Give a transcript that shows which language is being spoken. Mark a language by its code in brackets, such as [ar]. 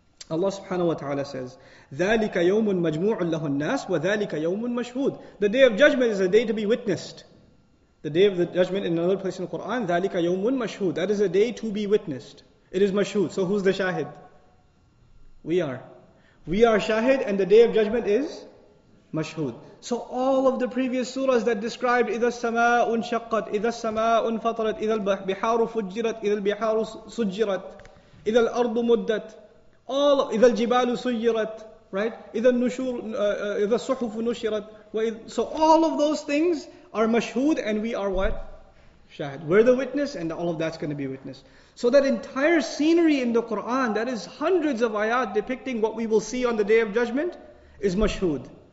[en] Allah subhanahu wa ta'ala says, [ar] ذَلِكَ يَوْمٌ مَجْمُوعٌ لَهُ النَّاسِ وَذَلِكَ يَوْمٌ مَشْهُودٌ [en] The day of judgment is a day to be witnessed. The day of the judgment in another place in the Quran, [ar] ذَلِكَ يَوْمٌ مَشْهُودٌ [en] That is a day to be witnessed. It is mashhud. So who's the shahid? We are. We are shahid and the day of judgment is mashhud. So all of the previous surahs that described [ar] إِذَا السَّمَاءُ انشَقَّتْ إِذَا السَّمَاءُ انفَطَرَتْ إِذَا الْبِحَارُ فُجِّرَتْ إِذَا الْبِحَارُ سُجِّرَتْ إِذَا الْأَرْضُ مُدَّتْ [en] All [ar] إِذَا الْجِبَالُ سُيِّرَتْ [en] Right? [ar] إِذَا النُّشُورُ إِذَا الصُّحُفُ نُشِرَتْ [en] So all of those things are mashhud and we are what? Shahid. We're the witness and all of that's going to be witnessed. So that entire scenery in the Qur'an, that is hundreds of ayat depicting what we will see on the Day of Judgment, is mashhud.